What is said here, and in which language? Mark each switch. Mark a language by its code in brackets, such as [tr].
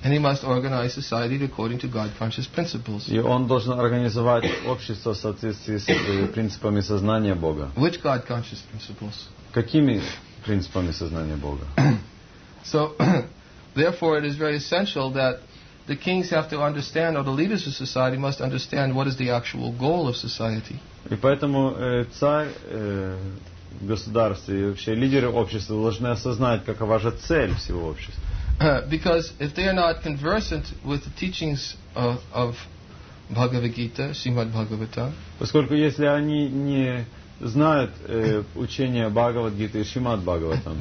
[en] And he must organize society according to God-conscious principles. [ru] И он должен организовать общество в соответствии с принципами сознания Бога. [en] Which God-conscious principles? [ru] Какими принципами сознания Бога? [en] So, therefore, it is very essential that the kings have to understand, or the leaders of society must understand, what is the actual goal of society. [ru] И поэтому царь государстве и вообще лидеры общества должны осознать, какова же цель всего общества. [en] Because if they are not conversant with the teachings of Bhagavad Gita, Srimad Bhagavatam, [ru] поскольку если они не знают учения Бхагавад Гиты и Шримад Бхагаватам,